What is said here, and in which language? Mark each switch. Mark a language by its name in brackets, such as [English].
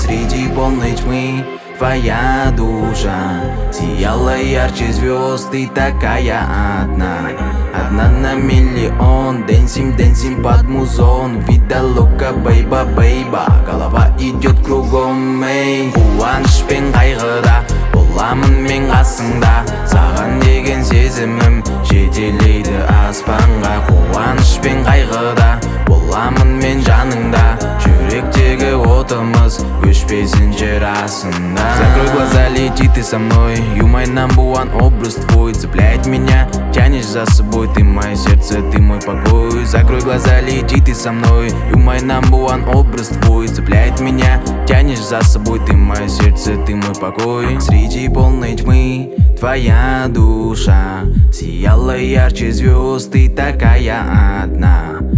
[Russian] Среди полной тьмы твоя душа сияла ярче звезд, ты такая одна. Одна на миллион, дэнсим, дэнсим под музон. [Spanish] Вида лока, [Russian] бэйба, бэйба, голова идет кругом, эй. [Kazakh] Куаныш пен қайғыда боламын мен қасыңда. Саған деген сезімім жетелейді аспанға. Куаныш пен қайғыда боламын мен жаныңда. Жүректегі отымыз өшпесін жер асында. [Russian] Закрой глаза, лети ты со мной. [English] You my number one, [Russian] образ твой цепляет меня, тянешь за собой. Ты мое сердце, ты мой покой. Закрой глаза, лети ты со мной. [English] You my number one, [Russian] образ твой цепляет меня, тянешь за собой. Ты мое сердце, ты мой покой. Среди полной тьмы твоя душа сияла ярче звезд, ты такая одна.